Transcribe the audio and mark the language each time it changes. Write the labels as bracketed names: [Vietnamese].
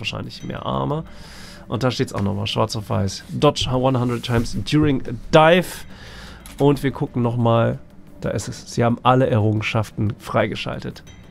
[German] Wahrscheinlich mehr Armor. Und da steht es auch nochmal. Schwarz auf weiß. [English] Dodge 100 times during a dive. [German] Und wir gucken nochmal. Da ist es. Sie haben alle Errungenschaften freigeschaltet.